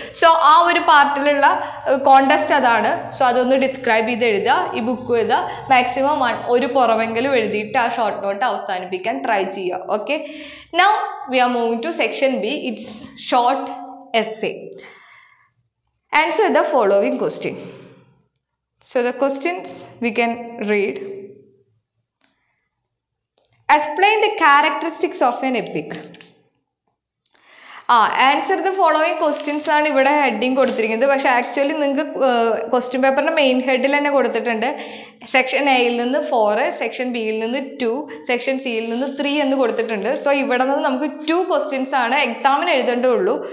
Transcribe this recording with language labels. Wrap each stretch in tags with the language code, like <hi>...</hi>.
<ml>So ആ ഒരു പാർട്ടിലുള്ള contest അതാണ്. സോ അതൊന്ന് ഡിസ്ക്രൈബ് ചെയ്ത് എഴുതുക, ഈ ബുക്ക് എഴുതുക, മാക്സിമം ഒരു പുറമെങ്കിലും എഴുതിയിട്ട് ആ ഷോർട്ട് നോട്ട് അവസാനിപ്പിക്കാൻ ട്രൈ ചെയ്യുക.</ml> <en>Okay, now we are moving to section B, it's short essay. Answer the following question. So the questions we can read. Explain the characteristics of an epic. Answer the following questions</en> <ml>ആണ് ഇവിടെ heading കൊടുത്തിരിക്കുന്നത്. പക്ഷേ actually നിങ്ങൾക്ക് question പേപ്പറിൻ്റെ main ഹെഡിൽ തന്നെ കൊടുത്തിട്ടുണ്ട്. Section എയിൽ നിന്ന് 4, സെക്ഷൻ ബിയിൽ നിന്ന് 2, സെക്ഷൻ സിയിൽ നിന്ന് 3 എന്ന് കൊടുത്തിട്ടുണ്ട്. സോ ഇവിടെ നിന്ന് നമുക്ക് 2 ക്വസ്റ്റ്യൻസ് ആണ് എക്സാമിന് എഴുതേണ്ടതുള്ളൂ.</ml>